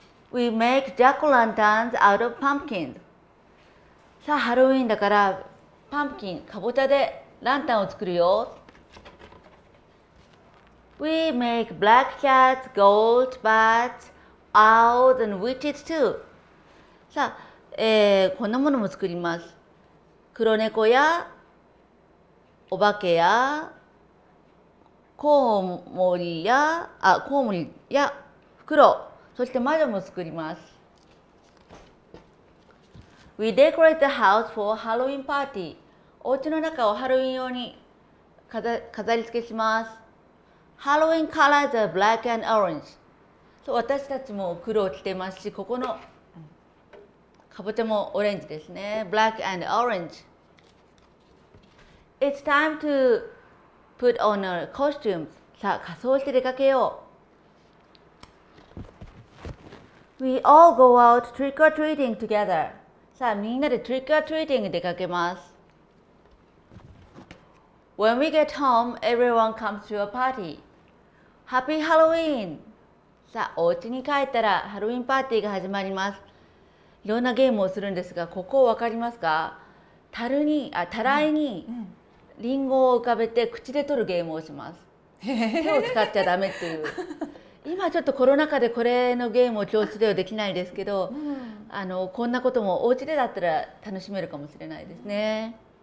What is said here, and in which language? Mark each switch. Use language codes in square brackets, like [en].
[en] We make jack-o'-lanterns out of pumpkins. [ja] さあ、ハロウィンだから、パンプキン、かぼちゃでランタンを作るよ。 [en] We make black cats, gold bats, owls, and witches too. [ja] さあ、こんなものも作ります。黒猫やお化けやコウモリや、あ、コウモリやフクロウ、そして魔女も作ります。 [en] We decorate the house for Halloween party. [ja] お家の中をハロウィン用に飾り付けします。 [en] Halloween colors are black and orange. [ja] そう、私たちも黒を着てますし、ここのかぼちゃもオレンジですね。 [en] Black and orange. It's time to put on a costume. [ja] さあ、仮装して出かけよう。 [en] We all go out trick or treating together. [ja] さあ、みんなでtrick or treating に出かけます。 [en] When we get home, everyone comes to a party. Happy Halloween! [ja] さあ、お家に帰ったらハロウィンパーティーが始まります。いろんなゲームをするんですが、ここわかりますか？たらいに、リンゴを浮かべて口で取るゲームをします。手を使っちゃダメっていう。今ちょっとコロナ禍でこれのゲームを教室ではできないですけど、あのこんなこともお家でだったら楽しめるかもしれないですね。